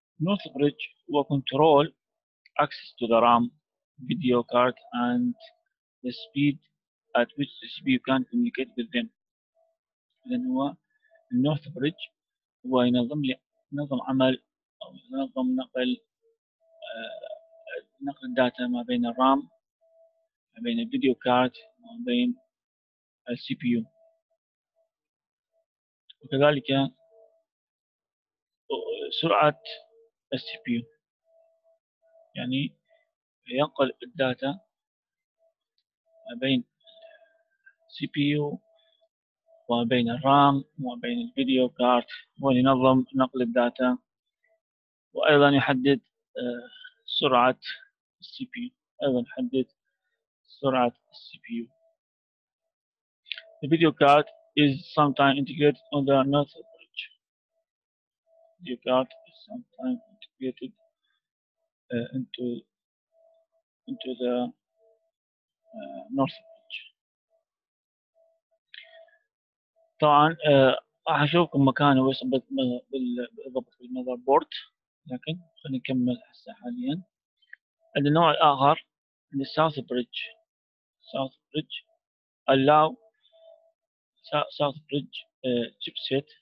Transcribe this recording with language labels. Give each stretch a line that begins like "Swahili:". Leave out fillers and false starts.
English: North Bridge هو control access to the RAM, video card and the speed at which the CPU can communicate with them.
Arabic: إذن هو North Bridge هو ينظم عمل أو ينظم نقل الداتا ما بين الرام، ما بين الفيديو كارد، ما بين CPU. وكذلك سرعة CPU، يعني ينقل الداتا ما بين CPU وبين الرام وبين الفيديو كارت، وينظم نقل الداتا، وأيضا يحدد سرعة CPU، أيضا يحدد سرعة CPU.
English: The video card is sometimes integrated on the motherboard. Video card is sometimes integrated into the motherboard.
Arabic: طبعا راح اشوفكم مكان وش بالضبط بالمذربورد، لكن خلينا نكمل هسه حاليا. النوع الاخر من الساوث بريدج. ساوث بريدج allow ساوث بريدج chipset.